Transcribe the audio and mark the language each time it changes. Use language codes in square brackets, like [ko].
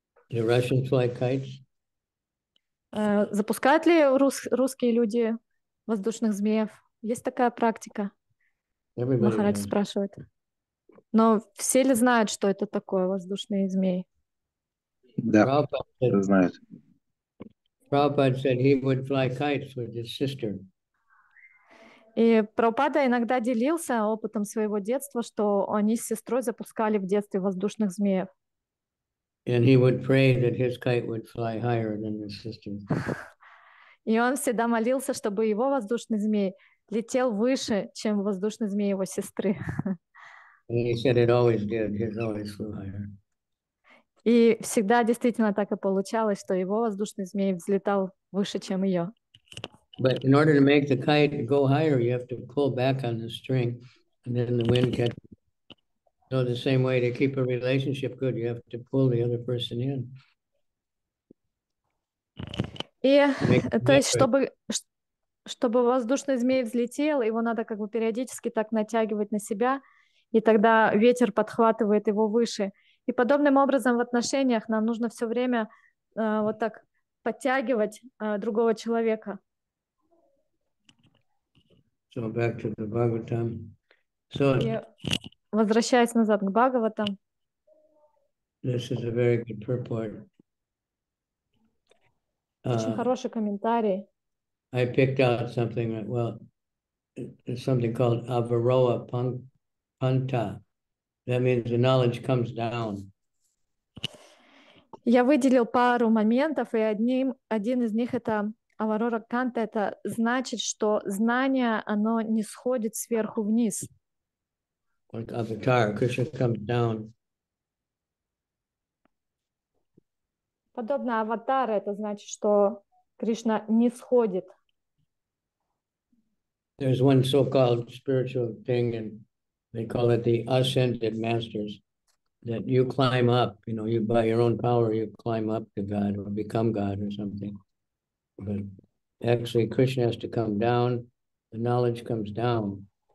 [en] Do Russians fly kites? [ru] Запускают ли русские люди воздушных змеев? Есть такая практика? [en] Everybody [ru] Махарадж [en] has. [ru] спрашивает. Но все ли знают, что это такое воздушные змеи? Да, кто знает. [en] Prabhupada said he would fly kites with his sister. [ru] И Прабхупада иногда делился опытом своего детства, что они с сестрой запускали в детстве воздушных змеев. [en] And he would pray that his kite would fly higher than his sister's. [ru] И он всегда молился, чтобы его воздушный змей летел выше, чем воздушный змей его сестры. [en] And he said it always did. His always flew higher. [ru] И всегда действительно так и получалось, что его воздушный змей взлетал выше, чем ее. [en] But in order to make the kite go higher, you have to pull back on the string, and then the wind catches. So the same way to keep a relationship good, you have to pull the other person in. [ru] И [en] Make [ru] то есть, чтобы воздушный змей взлетел, его надо как бы периодически так натягивать на себя, и тогда ветер подхватывает его выше. И подобным образом в отношениях нам нужно все время вот так подтягивать другого человека. [en] So back to the Bhagavatam. So [ru] И возвращаясь назад к Бхагаватам. [en] this is a very good purport. [ru] Очень хороший комментарий. [en] I picked out something that, well, it's something called Avaroha Panta. That means the knowledge comes down. [ru] Я выделил пару моментов, и один из них это Аварора Канта, это значит, что знание, оно не сходит сверху вниз. [en] Like avatar, Krishna comes down. [ru] Подобно аватара, это значит, что Кришна не сходит. [en] There's one so-called spiritual thing, and they call it the ascended masters, that you climb up, you know, you by your own power, you climb up to God or become God or something. But actually Krishna has to come down, the knowledge comes down.